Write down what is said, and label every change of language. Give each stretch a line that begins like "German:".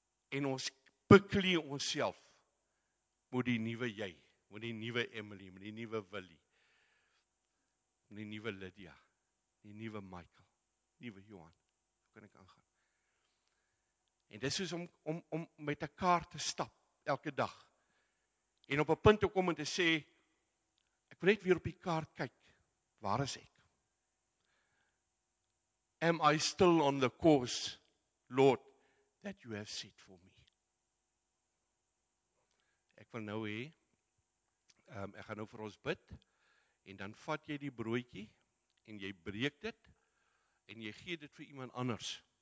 Afrikaans: En ons beklee onsself met die nuwe jy, met die nuwe Emily, met die nuwe Willie, met die nuwe Lydia, die nuwe Michael, nuwe Johan. Hoe kan ek aangaan? En dis soos om met 'n kaart te stap elke dag. En op 'n punt te kom en te sê, ek wil net weer op die kaart kyk, waar is ek?
English: Am I still on the course, Lord, that you have set for me?
Afrikaans: Ek wil nou hê, ek gaan nou vir ons bid, en dan vat jy die broodjie, en jy breek dit, en jy gee dit vir iemand anders.